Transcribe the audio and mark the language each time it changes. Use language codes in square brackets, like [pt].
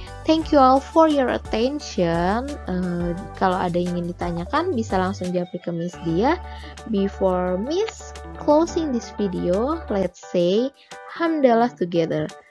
[en] Thank you all for your attention. [id] Kalau ada yang ingin ditanyakan, bisa langsung japri ke Miss Dia. [en] Before Miss closing this video, let's say Alhamdulillah together.